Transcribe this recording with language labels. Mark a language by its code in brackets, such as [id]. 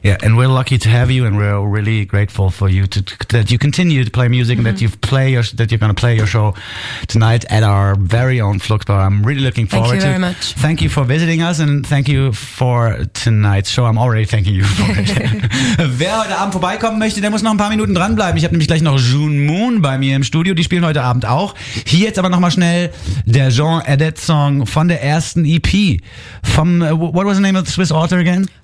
[en] Yeah, and we're lucky to have you, and we're really grateful for you that you continue to play music, and that you're going to play your show tonight at our very own Flux Bar. I'm really looking forward to it. Thank you very much. Thank you for visiting us, and thank you for tonight's show. I'm already thanking you for it. [de] Wer heute Abend vorbeikommen möchte, der muss noch ein paar Minuten dranbleiben. Ich habe nämlich gleich noch June Moon bei mir im Studio, die spielen heute Abend auch. Hier jetzt aber nochmal schnell der Jean Edet Song von der ersten EP. [en] What was the name of the Swiss author again?